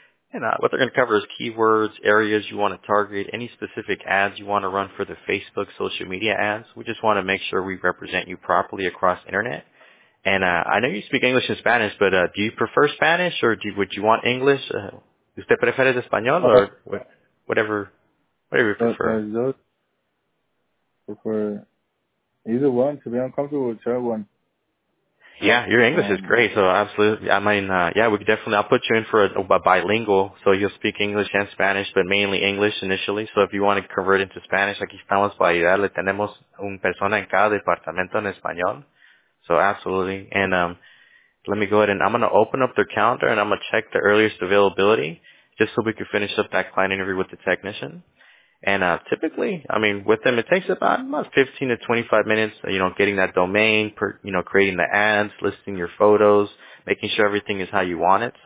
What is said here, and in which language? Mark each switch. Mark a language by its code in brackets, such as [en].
[en] And what they're going to cover is keywords, areas you want to target, any specific ads you want to run for the Facebook social media ads. We just want to make sure we represent you properly across internet. And I know you speak English and Spanish, but do you prefer Spanish or would you want English? [es] ¿Usted prefiere español [en] or whatever you prefer? Either one, to be uncomfortable, with try one. Yeah, your English is great, so absolutely. I mean, I'll put you in for a bilingual, so you'll speak English and Spanish, but mainly English initially. So if you want to convert into Spanish, [es] aquí estamos para ayudarle. Tenemos un persona en cada departamento en español. [en] So absolutely. And let me go ahead, and I'm going to open up their calendar, and I'm going to check the earliest availability just so we can finish up that client interview with the technician. And typically, I mean, with them, it takes about 15 to 25 minutes, you know, getting that domain, creating the ads, listing your photos, making sure everything is how you want it.